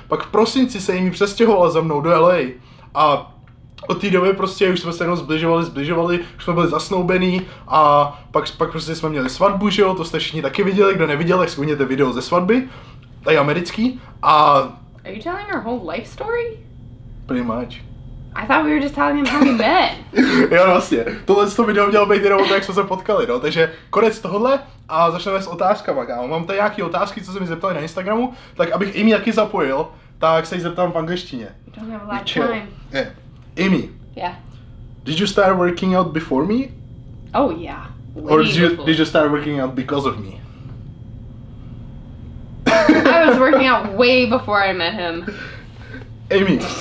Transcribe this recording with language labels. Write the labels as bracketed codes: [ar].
[cs] Pak v prosinci se jim přestěhovala za mnou do LA a od té doby prostě už jsme se jenom zbližovali, už jsme byli zasnoubený a pak prostě jsme měli svatbu, že jo, to jste všichni taky viděli, kdo neviděl, tak skvěděte video ze svatby, tady americký a... [en] Are you telling our whole life story? Pretty much. I thought we were just telling him how we met. [cs] Jo, vlastně. Tohle z toho video mělo být jenom to, jak jsme se potkali, no. Takže konec tohle a začneme s otázkama, kámo. Mám tady nějaký otázky, co se mi zeptali na Instagramu, tak abych Amy taky zapojil, tak se jí zeptám v angličtině. [en] You don't have a lot of time. Yeah. Amy. Yeah. Did you start working out before me? Oh, yeah. Way or did you start working out because of me? I was working out way before I met him. Amy.